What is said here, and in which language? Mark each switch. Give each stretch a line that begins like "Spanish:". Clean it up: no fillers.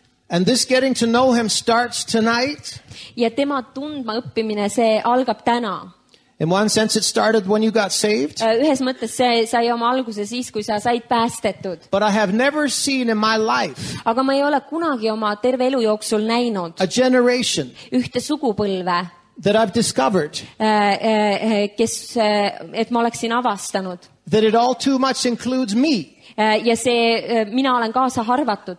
English: And this getting to know him starts tonight.
Estonian: Ja tema tundma õppimine, see algab täna.
English: In one sense, it started when you got saved.
Estonian: Ühes mõttes see sai oma alguse siis, kui sa said päästetud.
English: But I have never seen in my life
Estonian: aga ma ei ole kunagi oma terve elu jooksul näinud
English: a generation
Estonian: ühte sugupõlve
English: that I've discovered
Estonian: et ma oleksin avastanud
English: that it all too much includes me.
Estonian: Ja see, mina olen kaasa harvatud.